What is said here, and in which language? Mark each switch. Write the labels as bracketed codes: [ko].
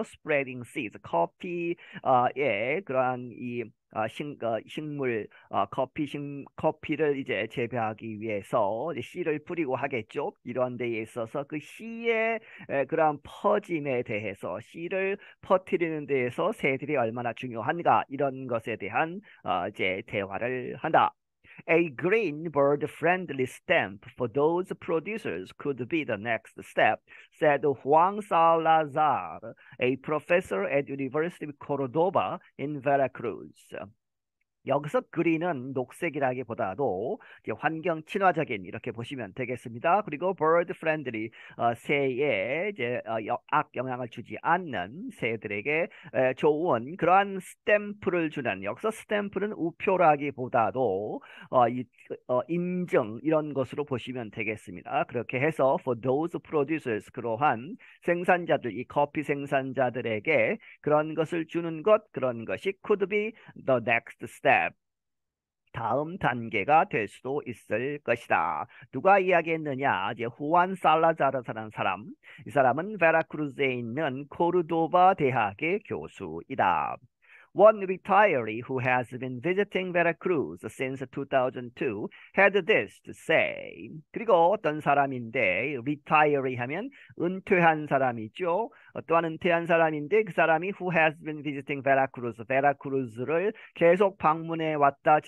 [en] spreading seeds, [ko] 커피 예 그러한 이 식물 커피 커피를 이제 재배하기 위해서 씨를 뿌리고 하겠죠. 이런 데에 있어서 그 씨의 그러한 퍼짐에 대해서, 씨를 퍼뜨리는 데에서 새들이 얼마나 중요한가, 이런 것에 대한 이제 대화를 한다. [en] A green bird-friendly stamp for those producers could be the next step, said Juan Salazar, a professor at University of Cordoba in Veracruz. [ko] 여기서 green은 녹색이라기보다도 환경 친화적인, 이렇게 보시면 되겠습니다. 그리고 bird friendly, 새에 이제 악 영향을 주지 않는, 새들에게 좋은 그러한 스탬프를 주는, 여기서 스탬프는 우표라기보다도 인증, 이런 것으로 보시면 되겠습니다. 그렇게 해서 [en] for those producers, [ko] 그러한 생산자들, 이 커피 생산자들에게 그런 것을 주는 것, 그런 것이 [en] could be the next step. [ko] 다음 단계가 될 수도 있을 것이다. 누가 이야기했느냐? 이제 후안 살라자르라는 사람. 이 사람은 베라크루즈에 있는 코르도바 대학의 교수이다. [en] One retiree who has been visiting Veracruz since 2002 had this to say. [ko] 그리고 어떤 사람인데, retiree 하면 은퇴한 사람이죠. 어떠한 은퇴한 사람인데, 그 사람이 [en] who has been visiting Veracruz, [ko] 베라크루즈를 계속 방문해 왔다.